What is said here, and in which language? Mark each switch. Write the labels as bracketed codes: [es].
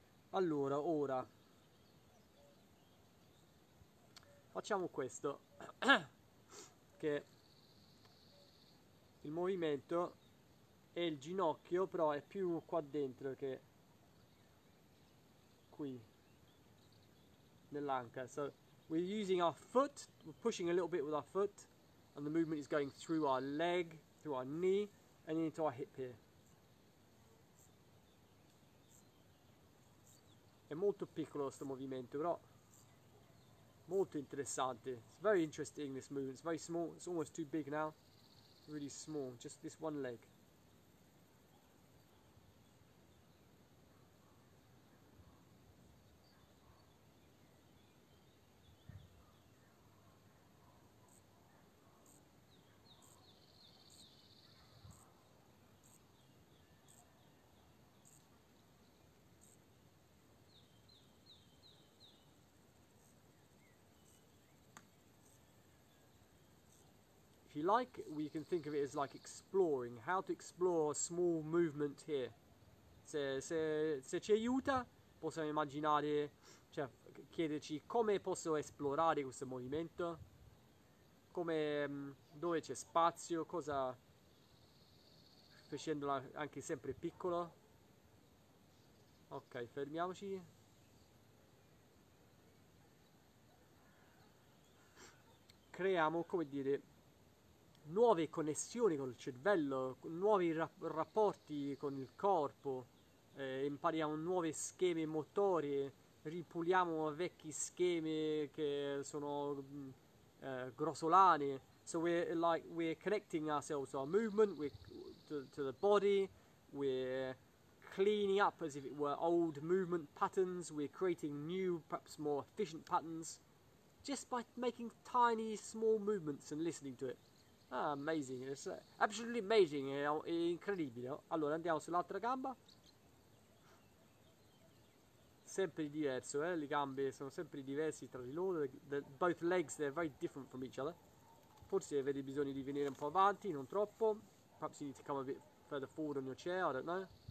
[it] Allora, ora, facciamo questo, che il movimento è il ginocchio, però è più qua dentro che qui nell'anca. [en] So we're using our foot, we're pushing a little bit with our foot, and the movement is going through our leg, through our knee, and into our hip here. [it] È molto piccolo questo movimento, però molto interessante. [en] It's very interesting this movement. It's very small, it's almost too big now. Really small, just this one leg. If you like, we can think of it as like exploring, how to explore a small movement here. [it] Se ci aiuta, possiamo immaginare, cioè chiederci come posso esplorare questo movimento, come, dove c'è spazio, cosa, facendola anche sempre piccola. Ok, fermiamoci. Creiamo, come dire, nuove connessioni con il cervello, nuovi rapporti con il corpo, impariamo nuovi schemi motori, ripuliamo vecchi schemi che sono grossolani. [en] So we're connecting ourselves to our movement, to the body, we're cleaning up as if it were old movement patterns, we're creating new, perhaps more efficient patterns, just by making tiny small movements and listening to it. Ah, amazing, it's absolutely amazing, [it] è incredibile. Allora andiamo sull'altra gamba. Sempre diverso, le gambe sono sempre diverse tra di loro. [en] Both legs, they're very different from each other. [it] Forse avete bisogno di venire un po' avanti, non troppo. [en] Perhaps you need to come a bit further forward on your chair, I don't know.